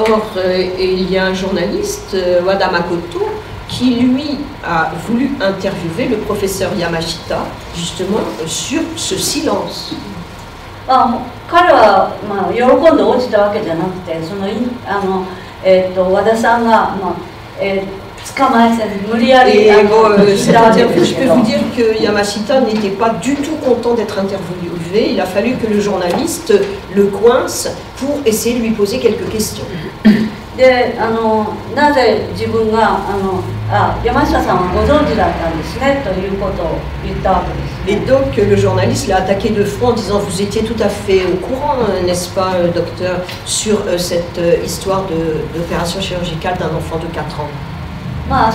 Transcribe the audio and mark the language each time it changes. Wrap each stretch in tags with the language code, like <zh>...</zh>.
<fr>Or, il y a un journaliste, Wada Makoto, qui lui a voulu interviewer le professeur Yamashita justement sur ce silence.</fr> <ja>彼は、まあ、喜んで落ちたわけじゃなくて、その和田さんが、まあ捕まえて無理やりしたわけですけど。</ja> <fr>Je peux vous dire que Yamashita n'était pas du tout content d'être interviewé. Il a fallu que le journaliste le coince pour essayer de lui poser quelques questions.</fr> <ja>で、なぜ自分が山下さんはご存知だったんですねということを言ったわけです。</ja> <fr>Et donc, le journaliste l'a attaqué de front en disant « Vous étiez tout à fait au courant, n'est-ce pas, docteur, sur cette histoire d'opération chirurgicale d'un enfant de 4 ans ?»</fr>